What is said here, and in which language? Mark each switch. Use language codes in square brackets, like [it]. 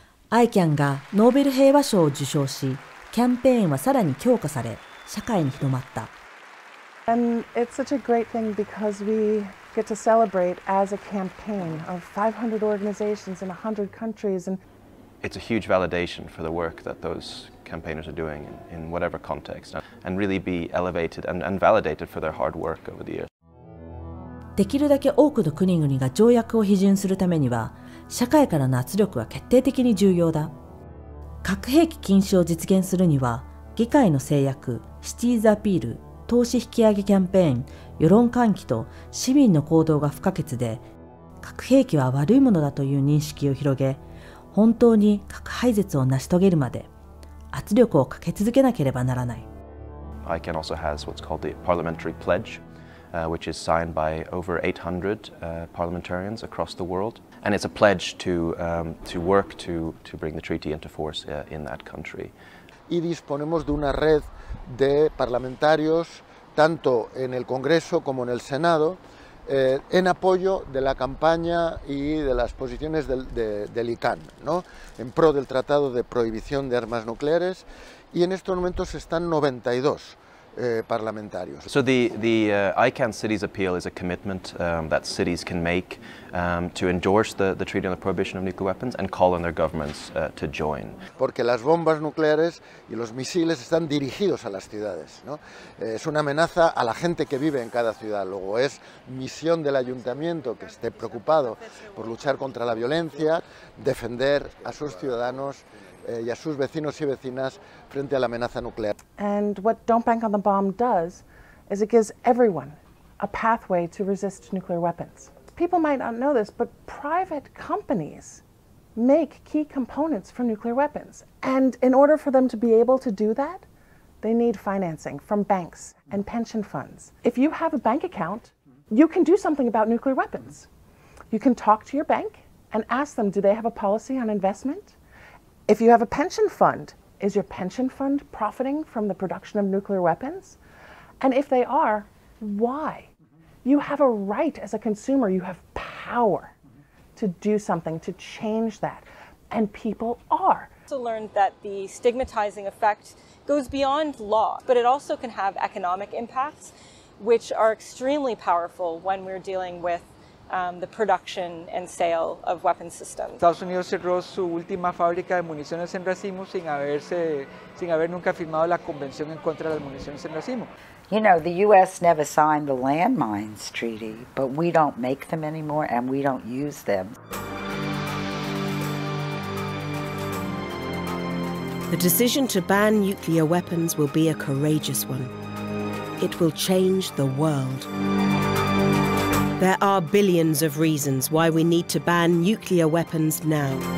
[ja] ICAN がノーベル平和賞を受賞し、キャンペーンはさらに強化され、社会に広まった。 [en] And it's such a great thing because we get to celebrate as a campaign of 500 organizations in 100 countries. And it's a huge validation for the work that those campaigners are doing in whatever context, and really be elevated and validated for their hard work over the years. [ja] できるだけ多くの国々が条約を批准するためには、社会からの圧力は決定的に重要だ。核兵器禁止を実現するには、議会の制約、シティーズアピール、投資引き上げキャンペーン、世論喚起と市民の行動が不可欠で、核兵器は悪いものだという認識を広げ、本当に核廃絶を成し遂げるまで圧力をかけ続けなければならない。 [en] ICAN also has what's called the Parliamentary Pledge, which is signed by over 800 parliamentarians across the world, and it's a pledge to work to bring the treaty into force in that country. [es] Y disponemos de una red de parlamentarios tanto en el Congreso como en el Senado, en apoyo de la campaña y de las posiciones del ICAN, ¿no? En pro del Tratado de Prohibición de Armas Nucleares, y en estos momentos están 92 parlamentarios. [en] So the ICAN cities appeal is a commitment that cities can make to endorse the Treaty on the Prohibition of Nuclear Weapons and call on their governments to join. [es] Porque las bombas nucleares y los misiles están dirigidos a las ciudades, ¿no? Es una amenaza a la gente que vive en cada ciudad. Luego es misión del ayuntamiento que esté preocupado por luchar contra la violencia, defender a sus ciudadanos y a sus vecinos y vecinas frente a la amenaza nuclear. [en] And what Don't Bank on the Bomb does is it gives everyone a pathway to resist nuclear weapons. People might not know this, but private companies make key components for nuclear weapons. And in order for them to be able to do that, they need financing from banks and pension funds. If you have a bank account, you can do something about nuclear weapons. You can talk to your bank and ask them, do they have a policy on investment? If you have a pension fund, is your pension fund profiting from the production of nuclear weapons? And if they are, why? You have a right as a consumer, you have power to do something, to change that. And people are. I also learned that the stigmatizing effect goes beyond law, but it also can have economic impacts, which are extremely powerful when we're dealing with the production and sale of weapon systems. [es] Estados Unidos cerró su última fábrica de municiones en racimo sin haber nunca firmado la convención en contra de las municiones en racimo. [en] You know, the U.S. never signed the landmines treaty, but we don't make them anymore and we don't use them. The decision to ban nuclear weapons will be a courageous one. It will change the world. There are billions of reasons why we need to ban nuclear weapons now.